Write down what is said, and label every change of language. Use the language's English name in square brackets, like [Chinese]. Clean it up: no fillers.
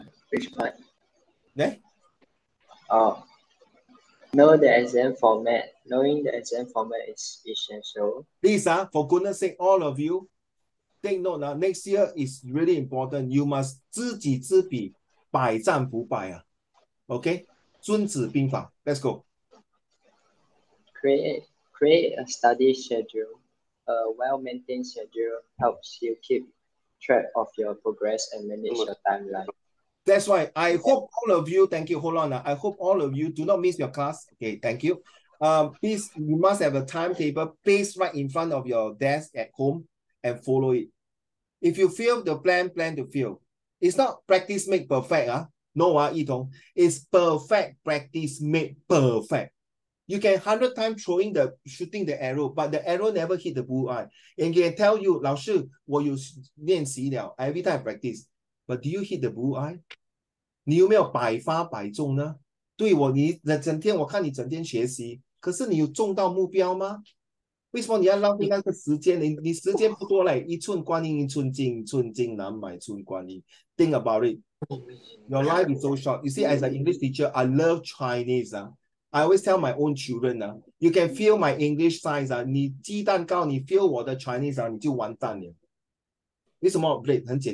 [English] Which part? Yeah? Oh, know the exam format. Knowing the exam format is essential. Please, for goodness sake, all of you, take note now, next year is really important. You must [Chinese] 知己知彼, 百战不败, okay? 孙子兵法, [English] let's go. Create a study schedule. A well-maintained schedule helps you keep track of your progress and manage your timeline. That's why I hope all of you, thank you, hold on. I hope all of you do not miss your class. Okay, thank you. Please, you must have a timetable placed right in front of your desk at home and follow it. If you fail the plan to fail. It's not practice make perfect. Yitong. It's perfect practice make perfect. You can 100 times throwing the shooting the arrow, but the arrow never hit the bullseye. And can tell you, [Chinese] 老师, 我有练习了, [English] every time I practice. But do you hit the bullseye? [Chinese] 你有没有百发百中呢? 对我, 你整天, 我看你整天学习, 可是你有中到目标吗? 为什么你要浪费那个时间？你时间不多 [English] like [Chinese] 一寸光阴一寸金，寸金难买寸光阴. [English] Think about it. Your life is so short. You see, as an English teacher, I love Chinese. I always tell my own children. You can feel my English science. [Chinese] 你鸡蛋糕，你 feel 我的 Chinese. 你就完蛋了。为什么 Blake?